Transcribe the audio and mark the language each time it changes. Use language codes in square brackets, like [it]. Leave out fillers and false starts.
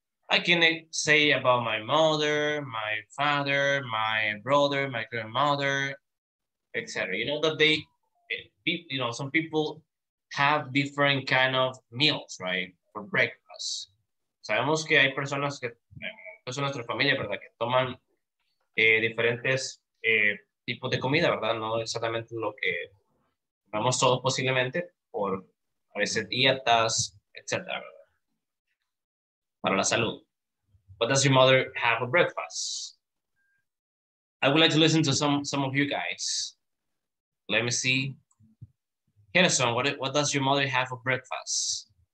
[en] I can say about my mother, my father, my brother, my grandmother, etc. You know that they, you know, some people have different kind of meals, right, for breakfast. [es] Sabemos que hay personas que, es nuestra familia, ¿verdad?, que toman diferentes tipos de comida, ¿verdad?, no exactamente lo que comemos todos posiblemente, por a veces dietas, etcétera, ¿verdad?, para la salud. [en] What does your mother have for breakfast? I would like to listen to some of you guys. Let me see. Harrison, what does your mother have for breakfast?